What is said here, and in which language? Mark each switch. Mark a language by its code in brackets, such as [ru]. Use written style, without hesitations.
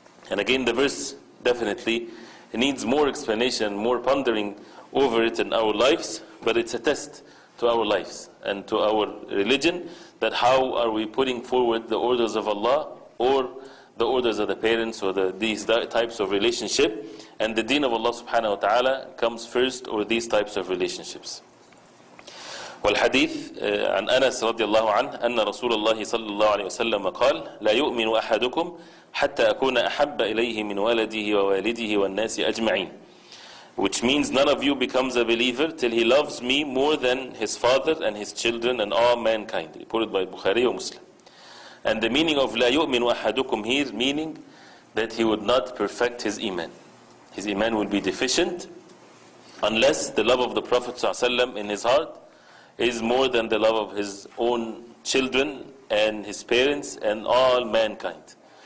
[en] And again, the verse definitely needs more explanation, more pondering over it in our lives, but it's a test to our lives and to our religion, that how are we putting forward the orders of Allah or the orders of the parents or these types of relationship, and the deen of Allah subhanahu wa ta'ala comes first, or these types of relationships. [ar] والحديث عن أنس رضي الله عنه أن رسول الله صلى الله عليه وسلم قال لا يؤمن أحدكم حتى أكون أحب إليه من ولده ووالده والناس أجمعين. [en] Which means none of you becomes a believer till he loves me more than his father and his children and all mankind. Reported by Bukhari and Muslim. And the meaning of [ar] لا يؤمن أحدكم [en] here, meaning that he would not perfect his iman. His iman will be deficient unless the love of the Prophet ﷺ in his heart is more than the love of his own children and his parents and all mankind.